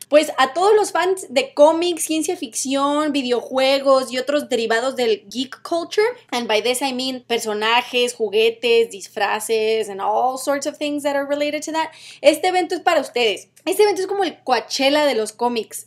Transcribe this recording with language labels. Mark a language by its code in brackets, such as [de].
[es] Pues a todos los fans de cómics, ciencia ficción, videojuegos y otros derivados del [en] geek culture. And by this I mean [es] personajes, juguetes, disfraces, [en] and all sorts of things that are related to that. [es] Este evento es para ustedes. Este evento es como el Coachella de los cómics.